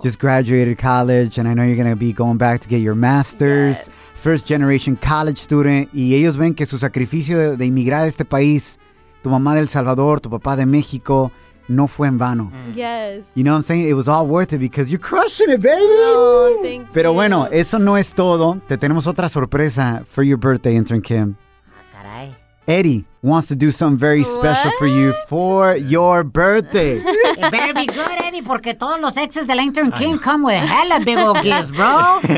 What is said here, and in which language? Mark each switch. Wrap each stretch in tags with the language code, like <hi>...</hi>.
<en>Just graduated college, and I know you're going to be going back to get your master's. Yes. First generation college student.</en> <es>Y ellos ven que su sacrificio de inmigrar a este país, tu mamá de El Salvador, tu papá de México, no fue en vano.</es> <en>Yes. You know what I'm saying? It was all worth it because you're crushing it, baby. Oh, thank you.</en> <es>Pero bueno, eso no es todo. Te tenemos otra sorpresa</es> <en>for your birthday,</en> <es>intern Kim. Ah, caray.</es> <en>Eddie wants to do something very special for you for your birthday. It better be good, Eddie,</en> <es>porque todos los exes del</es> <en>intern Kim come with hella big old gifts, bro.</en>